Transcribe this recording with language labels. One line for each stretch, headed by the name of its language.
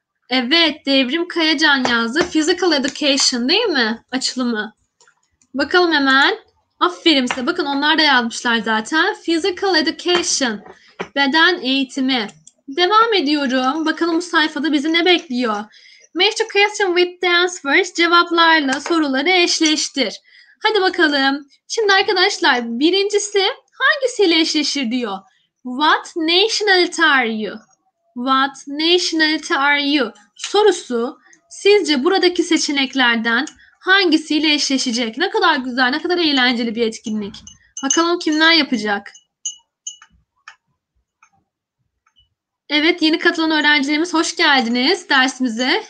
Turkish: Evet, Devrim Kayacan yazdı. Physical Education değil mi? Açılımı. Bakalım hemen. Aferin size. Bakın onlar da yazmışlar zaten. Physical Education. Beden eğitimi. Devam ediyorum. Bakalım bu sayfada bizi ne bekliyor?
English: Match the question with the answers.
Turkish: Cevaplarla soruları eşleştir. Hadi bakalım. Şimdi arkadaşlar birincisi hangisiyle eşleşir diyor.
English: What nationality are you? What nationality are you?
Turkish: Sorusu sizce buradaki seçeneklerden hangisiyle eşleşecek? Ne kadar güzel, ne kadar eğlenceli bir etkinlik. Bakalım kimler yapacak? Evet, yeni katılan öğrencilerimiz hoş geldiniz dersimize.